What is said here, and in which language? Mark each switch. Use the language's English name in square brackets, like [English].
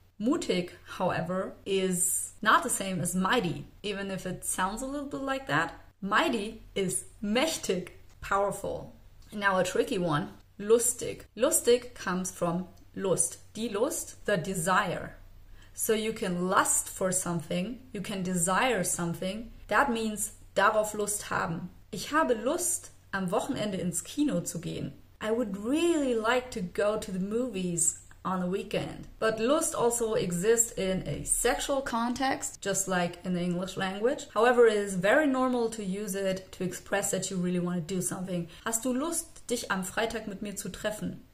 [English] Mutig, however, is not the same as mighty, even if it sounds a little bit like that. Mighty is mächtig, powerful. Now a tricky one, lustig. Lustig comes from Lust, die Lust, the desire. So you can lust for something, you can desire something. That means [German] darauf Lust haben. Ich habe Lust, am Wochenende ins Kino zu gehen. [English] I would really like to go to the movies on the weekend. But Lust also exists in a sexual context, just like in the English language. However, it is very normal to use it to express that you really want to do something. [German] Hast du Lust, dich am Freitag mit mir zu treffen?